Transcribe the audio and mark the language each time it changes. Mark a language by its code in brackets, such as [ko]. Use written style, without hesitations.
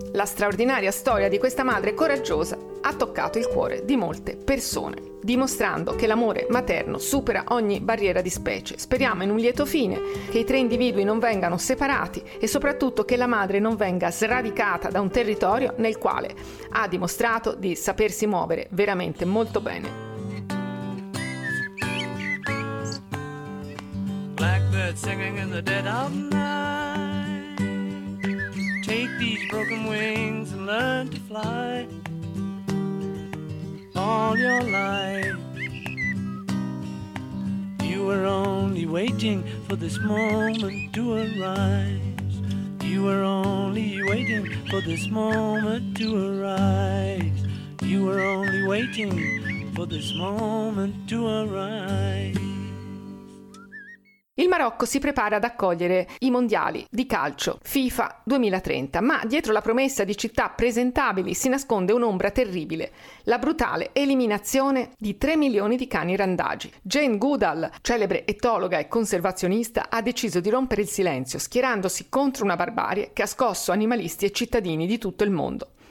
[it] La straordinaria storia di questa madre coraggiosa ha toccato il cuore di molte persone, dimostrando che l'amore materno supera ogni barriera di specie. Speriamo in un lieto fine, che i tre individui non vengano separati e soprattutto che la madre non venga sradicata da un territorio nel quale ha dimostrato di sapersi muovere veramente molto bene. [en] Blackbird singing in the dead of night. Take these broken wings and learn to fly. All your life you were only waiting for this moment to arise. You were only waiting for this moment to arise. You were only waiting for this moment to arise. [it] Il Marocco si prepara ad accogliere i mondiali di calcio FIFA 2030, ma dietro la promessa di città presentabili si nasconde un'ombra terribile, la brutale eliminazione di 3 milioni di cani randagi. Jane Goodall, celebre etologa e conservazionista, ha deciso di rompere il silenzio, schierandosi contro una barbarie che ha scosso animalisti e cittadini di tutto il mondo.